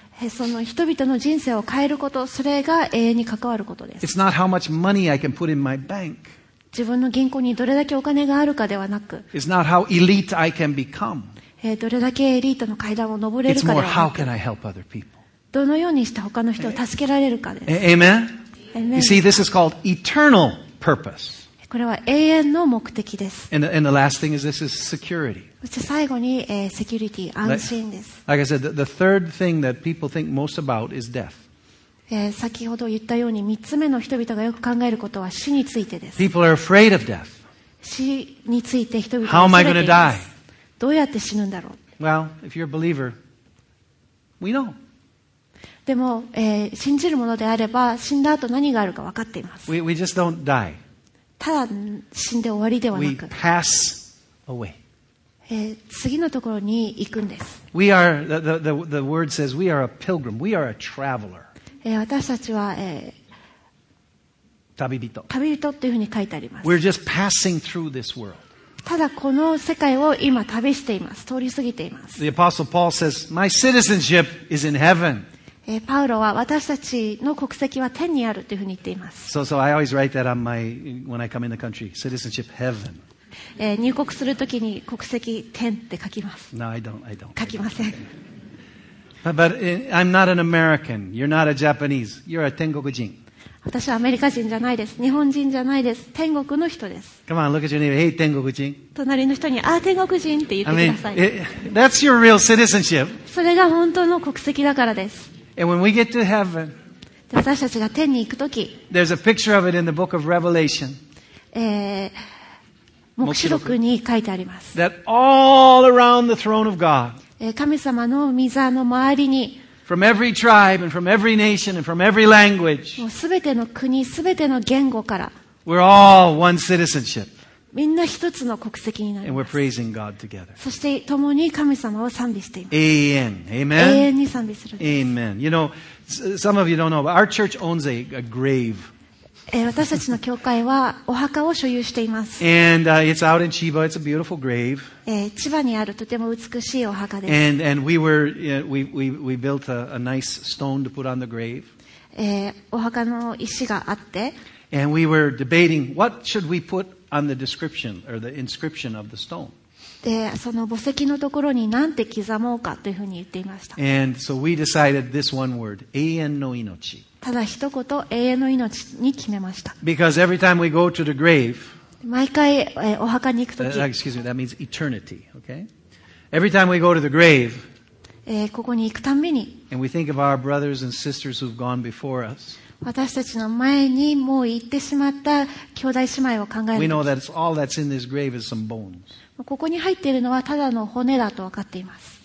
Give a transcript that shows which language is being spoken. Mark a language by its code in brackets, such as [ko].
[ja] その人々の人生を変えること、それが永遠に関わることです。 [en] It's not how much money I can put in my bank. [ja] 自分の銀行にどれだけお金があるかではなく。 [en] It's not how elite I can become. [ja] どれだけエリートの階段を登れるかではなく。 [en] It's more how can I help other people. [ja] どのようにして他の人を助けられるかです。 [en] Amen? You see, this is called eternal purpose. [ja] これは永遠の目的です。 [en] And the last thing is this is security. [ja] そして最後に、セキュリティ、安心です。 [en] Like I said, the third thing that people think most about is death. [ja] 先ほど言ったように、三つ目の人々がよく考えることは死についてです。 [en] People are afraid of death. [ja] 死について人々は [en] How am I going to die? [ja] どうやって死ぬんだろう? [en] Well, if you're a believer, we know. [ja] でも、信じるものであれば、死んだ後何があるか分かっています。 [en] We just don't die. [ja] ただ死んで終わりではなく [en] We pass away. [ja] 次のところに行くんです。 [en] We are, the word says we are a pilgrim. We are a traveler. [ja] 私たちは、旅人というふうに書いてあります。 [en] We're just passing through this world. [ja] ただこの世界を今旅しています。通り過ぎています。 [en] The Apostle Paul says, my citizenship is in heaven. [ja] パウロは私たちの国籍は天にあるというふうに言っています。 [en] So I always write that on my when I come in the country, citizenship heaven. [ja] 入国するときに国籍天って書きます。 [en] No, I don't. [ja] 書きません。 [en] But I'm not an American. You're not a Japanese. You're a [ja] 天国人。私はアメリカ人じゃないです。日本人じゃないです。天国の人です。 [en] Come on, look at your neighbor. Hey, [ja] 天国人。隣の人に、天国人って言ってください。 [en] That's your real citizenship. [ja] それが本当の国籍だからです。 [en] And when we get to heaven, [ja] 私たちが天に行くとき、 [en] there's a picture of it in the book of Revelation. [ja] 黙示録に書いてあります。 [en] That all around the throne of God, [ja] 神様の御座の周りに、 [en] from every tribe and from every nation and from every language, [ja] もうすべての国、すべての言語から、 [en] we're all one citizenship. [ja] みんな一つの国籍になります。 [en] And we're praising God together. [ja] そして共に神様を賛美しています。 [en] Amen. Amen. [ja] 永遠に賛美するんです。 [en] Amen. You know, some of you don't know, but our church owns a grave. [ja] 私たちの教会はお墓を所有しています。 [en] And it's out in Chiba. It's a beautiful grave. [ja] 千葉にあるとても美しいお墓です。 [en] And we were we built a nice stone to put on the grave. [ja] お墓の石があって。 [en] And we were debating what should we put on the description or the inscription of the stone. [ja] で、その墓石のところに何て刻もうかというふうに言っていました。 [en] And so we decided this one word, [ja] 永遠の命。ただ一言、永遠の命に決めました。 [en] Because every time we go to the grave, [ja] 毎回、お墓に行くとき、 [en] excuse me, that means eternity, okay? Every time we go to the grave, [ja] ここに行くたびに、 [en] and we think of our brothers and sisters who've gone before us, [ja] 私たちの前にもう行ってしまった兄弟姉妹を考えると、 [en] we know that all that's in this grave is some bones. [ja] ここに入っているのはただの骨だと分かっています。